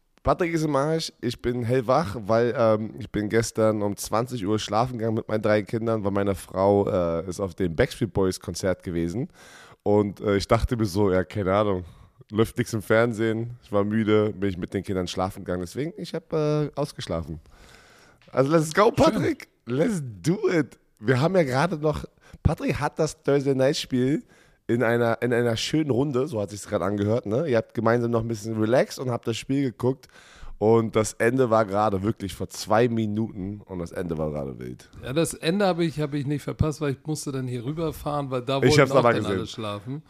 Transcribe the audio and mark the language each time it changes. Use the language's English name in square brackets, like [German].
[German] Patrick ist im Arsch, ich bin hellwach, weil ich bin gestern um 20 Uhr schlafen gegangen mit meinen drei Kindern, weil meine Frau ist auf dem Backstreet Boys Konzert gewesen. Und ich dachte mir so, ja, keine Ahnung, läuft nichts im Fernsehen, ich war müde, bin ich mit den Kindern schlafen gegangen, deswegen, ich habe ausgeschlafen. [English] Also let's go, Patrick, let's do it. [German] Wir haben ja gerade noch, Patrick hat das Thursday Night Spiel in einer schönen Runde, so hat sich es gerade angehört, ne? Ihr habt gemeinsam noch ein bisschen relaxed und habt das Spiel geguckt und das Ende war gerade wirklich vor 2 Minuten und das Ende war gerade wild. Ja, das Ende habe ich nicht verpasst, weil ich musste dann hier rüberfahren, weil da wollten auch dann alle schlafen.